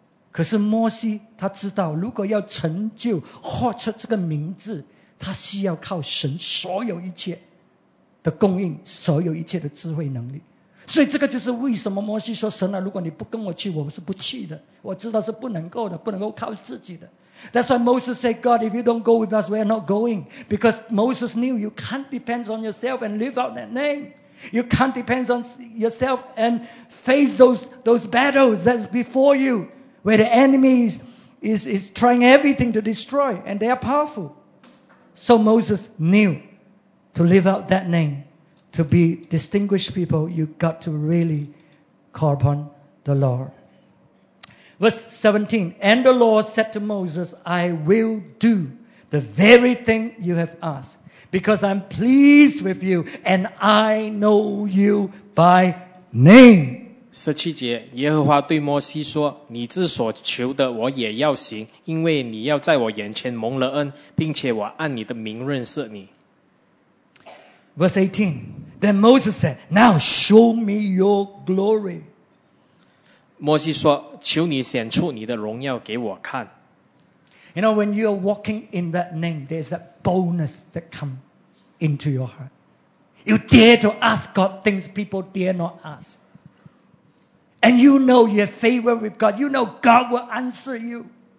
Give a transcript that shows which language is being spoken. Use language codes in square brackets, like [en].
[zh] 可是摩西他知道，如果要成就获取这个名字，他需要靠神所有一切的供应，所有一切的智慧能力。所以这个就是为什么摩西说，神啊，如果你不跟我去，我是不去的，我知道是不能够的，不能够靠自己的。 [en] That's why Moses said, God, if you don't go with us, we are not going. Because Moses knew you can't depend on yourself and live out that name. You can't depend on yourself and face those battles that's before youWhere the enemy is trying everything to destroy, and they are powerful. So Moses knew to live out that name, to be distinguished people, you got to really call upon the Lord. Verse 17, and the Lord said to Moses, I will do the very thing you have asked, because I'm pleased with you, and I know you by name. [zh] 十七节，耶和华对摩西说，你之所求的我也要行，因为你要在我眼前蒙了恩，并且我按你的名认识你。 [en] Verse 18, then Moses said, now show me your glory. [zh] 摩西说，求你显出你的荣耀给我看。 [en] You know, when you are walking in that name, there's that boldness that comes into your heart. You dare to ask God things people dare not ask. And you know you have favor with God. You know God will answer you.